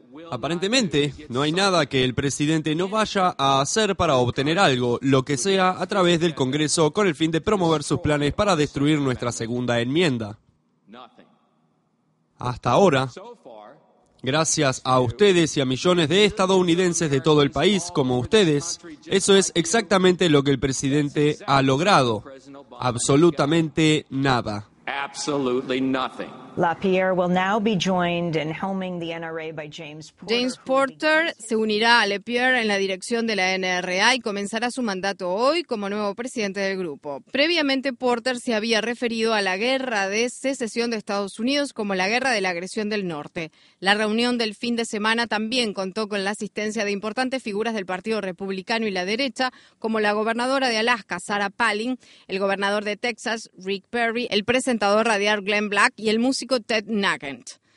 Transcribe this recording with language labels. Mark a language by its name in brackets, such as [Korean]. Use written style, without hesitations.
[Spanish] Aparentemente, no hay nada que el presidente no vaya a hacer para obtener algo, lo que sea, a través del Congreso con el fin de promover sus planes para destruir nuestra segunda enmienda. Hasta ahora, gracias a ustedes y a millones de estadounidenses de todo el país como ustedes, eso es exactamente lo que el presidente ha logrado. Absolutamente nada. [English] Absolutely nothing. LaPierre will now be joined in helming the NRA by James Porter. [Spanish] James Porter se unirá a LaPierre en la dirección de la NRA y comenzará su mandato hoy como nuevo presidente del grupo. Previamente, Porter se había referido a la guerra de secesión de Estados Unidos como la guerra de la agresión del norte. La reunión del fin de semana también contó con la asistencia de importantes figuras del Partido Republicano y la derecha, como la gobernadora de Alaska, Sarah Palin, el gobernador de Texas, Rick Perry, el presentador radial Glenn Black y el músico Ted Nugent.